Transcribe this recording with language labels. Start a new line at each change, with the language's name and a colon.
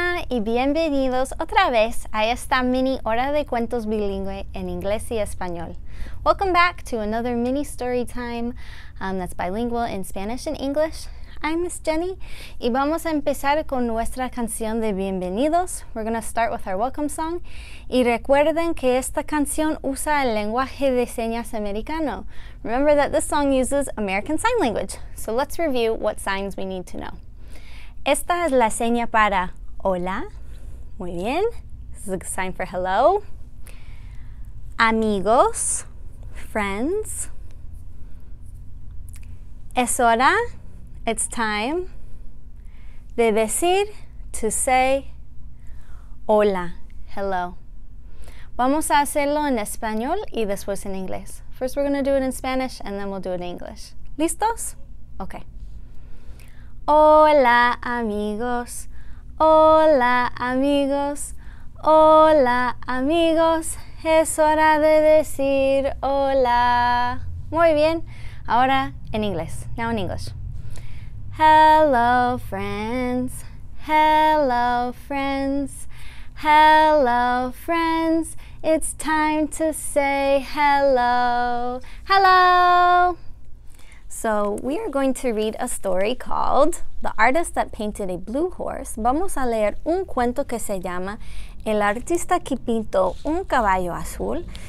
Spanish: y bienvenidos otra vez a esta mini Hora de Cuentos Bilingüe en Inglés y Español.
English: Welcome back to another mini story time that's bilingual in Spanish and English. I'm Miss Jenny,
Spanish: y vamos a empezar con nuestra canción de bienvenidos.
English: We're going to start with our welcome song.
Spanish: Y recuerden que esta canción usa el lenguaje de señas americano.
English: Remember that this song uses American Sign Language. So let's review what signs we need to know.
Spanish: Esta es la seña para hola. Muy bien.
English: This is a sign for hello. Amigos. Friends.
Spanish: Es hora.
English: It's time.
Spanish: De decir,
English: to say,
Spanish: hola,
English: hello.
Spanish: Vamos a hacerlo en español y después en inglés.
English: First we're going to do it in Spanish and then we'll do it in English.
Spanish: ¿Listos? Okay. Hola, amigos. Hola, amigos. Hola, amigos. Es hora de decir hola. Muy bien. Ahora en inglés.
English: Now in English. Hello, friends. Hello, friends. Hello, friends. It's time to say hello. Hello! So we are going to read a story called The Artist That Painted a Blue Horse.
Spanish: Vamos a leer un cuento que se llama El Artista que Pintó un Caballo Azul.